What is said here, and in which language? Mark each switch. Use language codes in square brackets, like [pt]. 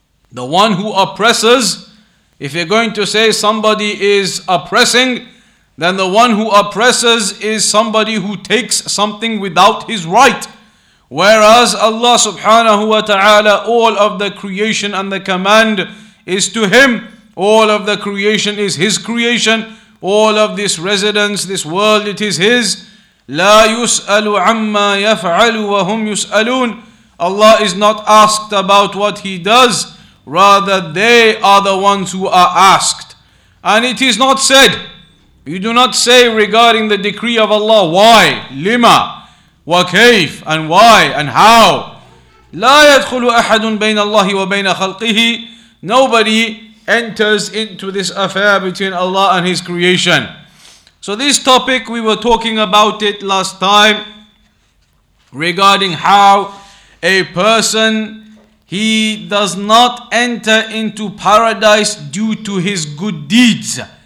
[en] The one who oppresses, if you're going to say somebody is oppressing, then the one who oppresses is somebody who takes something without his right. Whereas Allah subhanahu wa ta'ala, all of the creation and the command is to Him. All of the creation is His creation. All of this residence, this world, it is His. [ar] لا يسأل عما يفعل وهم يسألون. [en] Allah is not asked about what He does. Rather, they are the ones who are asked. And it is not said. You do not say regarding the decree of Allah, why? [ar] لِمَا? وكيف [en] and why and how. [ar] لا يدخل أحد بين الله وبين خلقه. [en] Nobody enters into this affair between Allah and His creation. So this topic, we were talking about it last time regarding how a person, he does not enter into paradise due to his good deeds.